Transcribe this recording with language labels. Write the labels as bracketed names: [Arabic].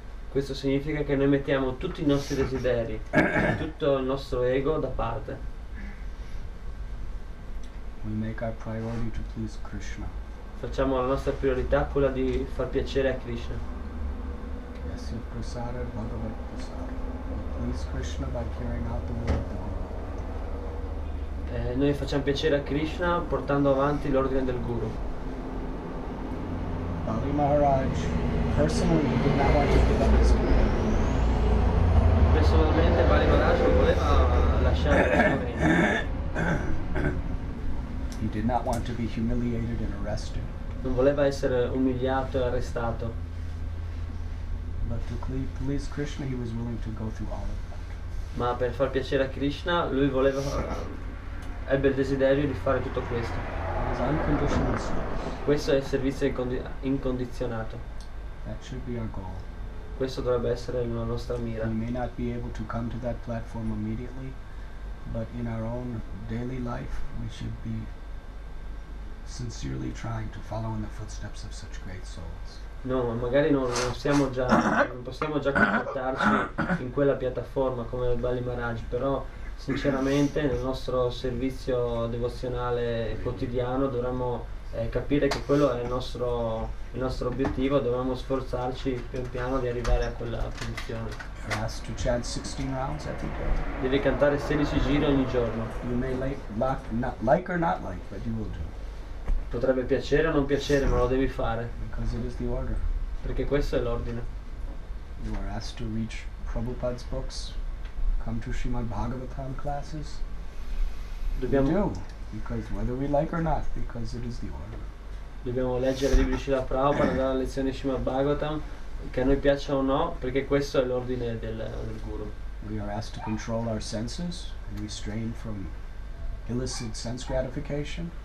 [Italian] Questo significa che noi mettiamo tutti i nostri desideri, tutto il nostro ego da parte. [English] We make our priority to please Krishna. [Italian] Facciamo la nostra priorità quella di far piacere a Krishna. [English] Yes, you prasara, Bhagavad prasara. Please Krishna by carrying out the word. [Italian] Noi facciamo piacere a Krishna portando avanti l'ordine del Guru. [English] Bali Maharaj personally did not want to give up his kingdom. [Italian] Personalmente Bali Maharaj non voleva lasciare il suo regno. [English] He did not want to be humiliated and arrested. [Italian] Non voleva essere umiliato e arrestato. [English] But to please Krishna he was willing to go through all of that. [Italian] Ma per far piacere a Krishna lui voleva, ebbe il desiderio di fare tutto questo. Questo è il servizio incondizionato. [English] That should be our goal. [Italian] Questo dovrebbe essere la nostra mira. [English] We may not be able to come to that platform immediately, but in our own daily life we should be sincerely trying to follow in the footsteps of such great souls. [Italian] No, magari non possiamo già comportarci in quella piattaforma come Bali Maharaj, però sinceramente nel nostro servizio devozionale quotidiano dovremmo capire che quello è il nostro obiettivo, dovremmo sforzarci pian piano di arrivare a quella posizione. [English] You're asked to chant 16 rounds every day. [Italian] Devi cantare 16 giri ogni giorno. [English] You may like or not like, but you will do. [Italian] Potrebbe piacere o non piacere, ma lo devi fare. [English] Because it is the order. [Italian] Perché questo è l'ordine. [English] You are asked to read Prabhupada's books, come to Srimad Bhagavatam classes. [Italian] Dobbiamo [English] we do, because whether we like or not, because it is the order. [Italian] Dobbiamo leggere libri Srila Prabhupada, andare alle lezioni Srimad Bhagavatam, che a noi piaccia o no, perché questo è l'ordine del Guru. [English] We are asked to control our senses and restrain from illicit sense gratification.